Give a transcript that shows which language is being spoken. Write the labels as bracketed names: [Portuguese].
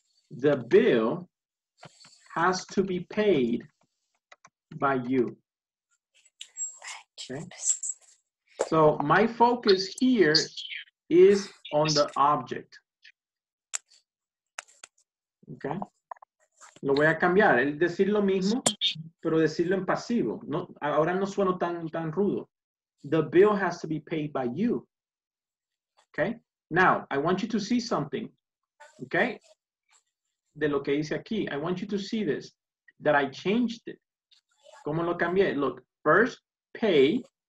[English] The bill has to be paid by you. Okay. So my focus here is on the object. [Spanish] Okay. Lo voy a cambiar. Es decir lo mismo, pero decirlo en pasivo. No, ahora no sueno tan rudo. [English] The bill has to be paid by you. Okay? Now, I want you to see something. Okay? [Spanish] De lo que dice aquí. [English] I want you to see this. That I changed it. [Spanish] ¿Cómo lo cambié? [English] Look. First, pay.